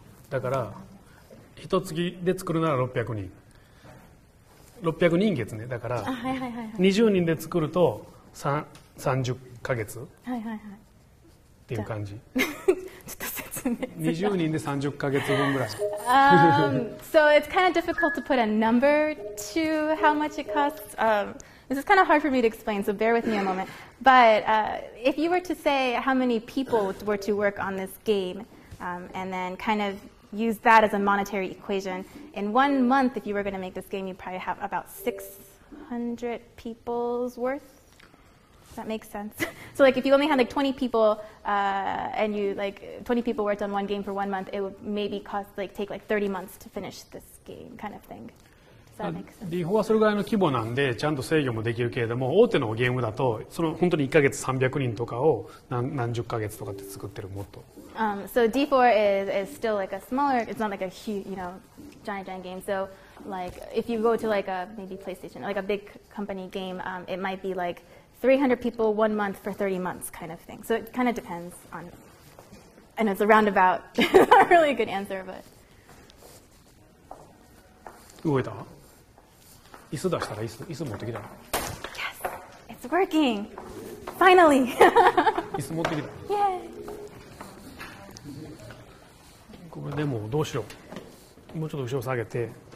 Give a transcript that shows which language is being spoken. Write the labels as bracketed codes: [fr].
[ja] だから一月で作るなら600人月ね。だから20人で作ると30ヶ月っていう感じ。ちょっと説明。 20人で30ヶ月分ぐらい。 [en] So it's kind of difficult to put a number to how much it costs. This is kind of hard for me to explain, so bear with me a moment. But if you were to say how many people were to work on this game. And then kind of use that as a monetary equation. In 1 month, if you were going to make this game, you'd probably have about 600 people's worth. Does that make sense? So like if you only had like 20 people, and you like 20 people worked on one game for 1 month, it would maybe cost like take like 30 months to finish this game kind of thing. Does that make sense? [ja] D4 はそれぐらいの規模なんで、ちゃんと制御もできるけれども、大手のゲームだと、その本当に1ヶ月300人とかを 何十ヶ月とかって作ってるもっと。 [en] So D4 is still like a smaller, it's not like a huge, you know, giant game. So like if you go to like a maybe PlayStation, like a big company game, it might be like 300 people 1 month for 30 months kind of thing. So it kind of depends on, and it's a roundabout, not really a good answer, but. [ja] 動いた? 椅子出したら椅子持ってきた。 [en] Yes, it's working, finally. [ja] 椅子持ってきた。 [en] Yay. [ja] これでもどうしよう。もうちょっと後ろ下げて。